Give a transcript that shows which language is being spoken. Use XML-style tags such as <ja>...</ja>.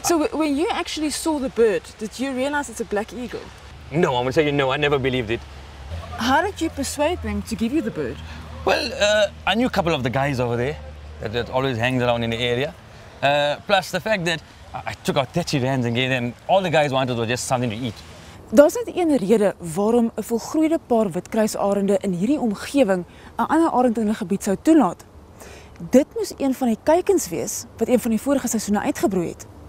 <en>So when you actually saw the bird, did you realize it's a black eagle? No, I'm going to tell you no, I never believed it. How did you persuade them to give you the bird? Well, I knew a couple of the guys over there that always hangs around in the area. Plus the fact that I took out 30 rand and gave them, all the guys wanted was just something to eat.</en> <af>Daar's net een rede waarom 'n volgroeide paar witkruisarende in hierdie omgewing 'n ander arend in hulle gebied sou toelaat. Dit moes een van die kuikens wees wat een van die vorige seisoene uitgebroei het.</af>